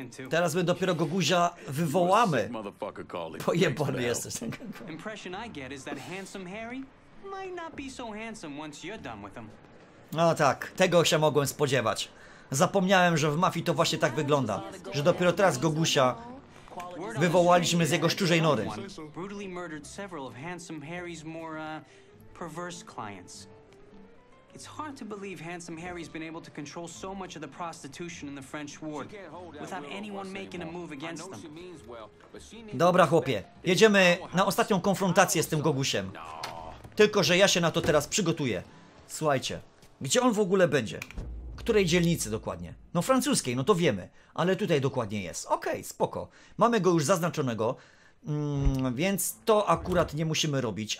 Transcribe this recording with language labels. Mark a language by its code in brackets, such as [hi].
[pl] Teraz my dopiero go guzia wywołamy. Pojebany jesteś. [en] Impression I get is that handsome Harry might not be so handsome once you're done with him. [pl] No tak, tego się mogłem spodziewać. Zapomniałem, że w mafii to właśnie tak wygląda, że dopiero teraz Gogusia wywołaliśmy z jego szczurzej nory. [en] Brutally murdered several of handsome Harry's more perverse clients. It's hard to believe handsome Harry's been able to control so much of the prostitution in the French ward without anyone making a move against them. [pl] Dobra chłopie, jedziemy na ostatnią konfrontację z tym Gogusiem. Tylko że ja się na to teraz przygotuję. Słuchajcie, gdzie on w ogóle będzie? Której dzielnicy dokładnie? No francuskiej, no to wiemy. Ale tutaj dokładnie jest. Okej, spoko. Mamy go już zaznaczonego. Więc to akurat nie musimy robić.